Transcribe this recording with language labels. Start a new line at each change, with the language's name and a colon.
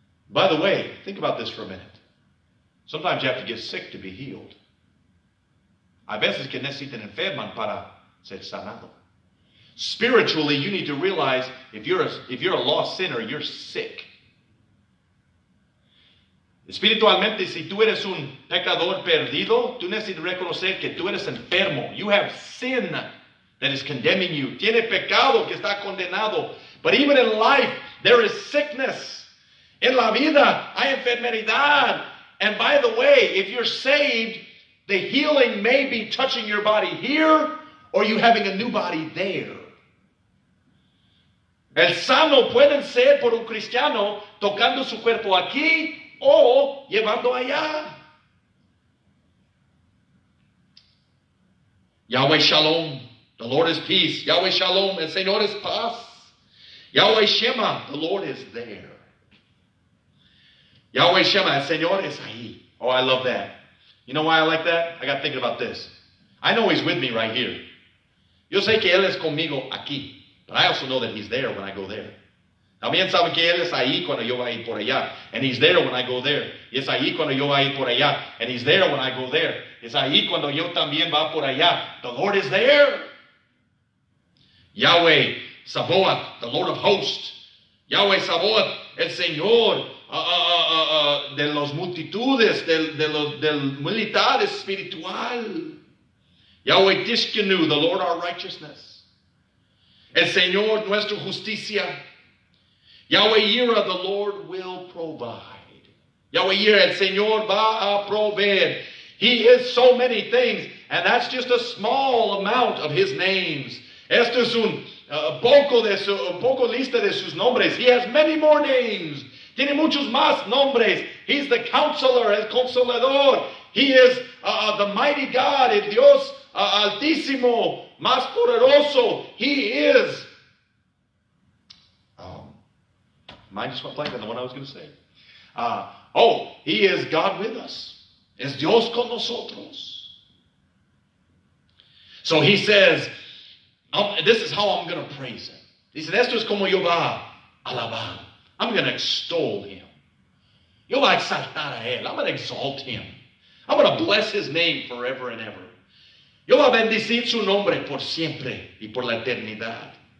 English: By the way, think about this for a minute. Sometimes you have to get sick to be healed.
Spanish: A veces que necesitan enferman para ser sanado.
English: Spiritually, you need to realize if you're a lost sinner, you're sick.
Spanish: Espiritualmente, si tú eres un pecador perdido, tú necesitas reconocer que tú eres enfermo.
English: You have sin that is condemning you.
Spanish: Tiene pecado que está condenado.
English: But even in life, there is sickness.
Spanish: En la vida, hay enfermedad.
English: And by the way, if you're saved, the healing may be touching your body here or you having a new body there.
Spanish: El sano pueden ser por un cristiano tocando su cuerpo aquí o llevando allá.
English: Yahweh Shalom, the Lord is peace. Yahweh Shalom,
Spanish: el Señor es paz.
English: Yahweh Shema, the Lord is there. Yahweh Shema,
Spanish: el Señor es ahí.
English: Oh, I love that. You know why I like that? I got thinking about this. I know he's with me right here.
Spanish: Yo sé que él es conmigo aquí.
English: But I also know that he's there when I go there.
Spanish: También saben que él es ahí cuando yo voy por allá.
English: And he's there when I go there.
Spanish: Y es ahí cuando yo voy por allá.
English: And he's there when I go there.
Spanish: Es ahí cuando yo también va por allá.
English: The Lord is there. Yahweh Sabaoth, the Lord of hosts.
Spanish: Yahweh Sabaoth, el Señor. De los multitudes, del militar espiritual.
English: Yahweh Tishkenu, the Lord our righteousness.
Spanish: El Señor nuestra justicia.
English: Yahweh Yira, the Lord will provide. Yahweh Yira,
Spanish: el Señor va a proveer.
English: He is so many things, and that's just a small amount of his names.
Spanish: Esto es un poco lista de sus nombres.
English: He has many more names.
Spanish: Tiene muchos más nombres.
English: He's the counselor,
Spanish: el consolador.
English: He is the mighty God,
Spanish: el Dios altísimo, más poderoso.
English: He is. Mine just went blank on the one I was going to say. He is God with us.
Spanish: Es Dios con nosotros.
English: So he says, this is how I'm going to praise him. He said,
Spanish: esto es como yo va a alabar.
English: I'm going to extol him.
Spanish: Yo voy a exaltar a él.
English: I'm going to exalt him. I'm going to bless his name forever and ever.
Spanish: Yo voy a bendecir su nombre por siempre y por la eternidad.